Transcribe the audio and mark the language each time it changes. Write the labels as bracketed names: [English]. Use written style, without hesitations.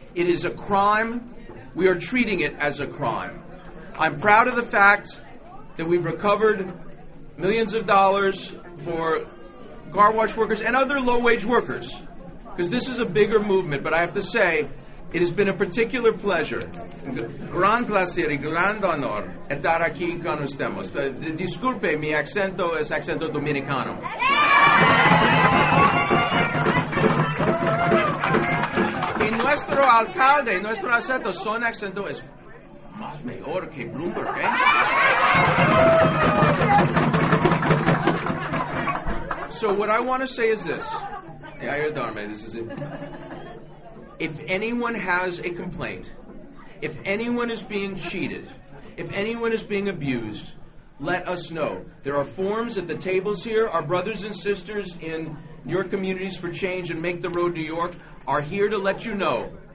[English] It is a crime. We are treating it as a crime. I'm proud of the fact that we've recovered millions of dollars for car wash workers and other low-wage workers. because this is a bigger movement, but I have to say, it has been a particular pleasure. [Spanish] Gran placer y gran honor estar aquí con ustedes. Disculpe, mi acento es acento dominicano. Y nuestro alcalde, nuestro acento, son acento es más mejor que Bloomberg, ¿eh? [English] So what I want to say is this. Yair Darme, this is it. If anyone has a complaint, if anyone is being cheated, if anyone is being abused, let us know. There are forms at the tables here. Our brothers and sisters in your Communities for Change and Make the Road New York are here to let you know.